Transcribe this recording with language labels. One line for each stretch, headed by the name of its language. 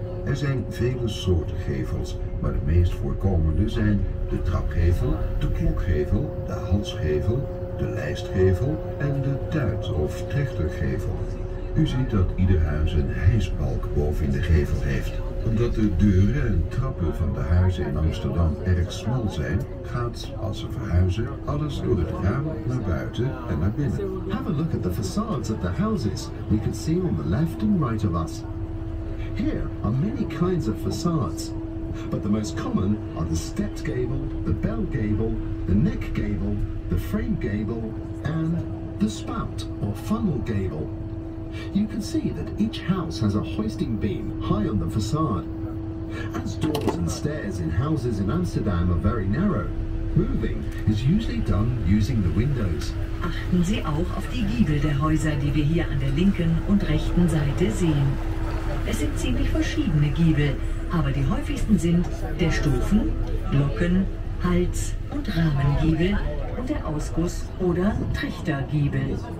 Dutch: Er zijn vele soorten gevels, maar de meest voorkomende zijn de trapgevel, de klokgevel, de halsgevel, de lijstgevel en de tuit- of trechtergevel. U ziet dat ieder huis een hijsbalk bovenin de gevel heeft. Omdat de deuren en trappen van de huizen in Amsterdam erg smal zijn, gaat, als ze verhuizen, alles door het raam naar buiten en naar binnen.
English: Have a look at the facades of the houses we can see on the left and right of us. Here are many kinds of facades, but the most common are the stepped gable, the bell gable, the neck gable, the frame gable and the spout or funnel gable. You can see that each house has a hoisting beam high on the facade. As doors and stairs in houses in Amsterdam are very narrow, moving is usually done using the windows.
German: Achten Sie auch auf die Giebel der Häuser, die wir hier an der linken und rechten Seite sehen. Es sind ziemlich verschiedene Giebel, aber die häufigsten sind der Stufen-, Glocken-, Hals- und Rahmengiebel und der Ausguss- oder Trichtergiebel.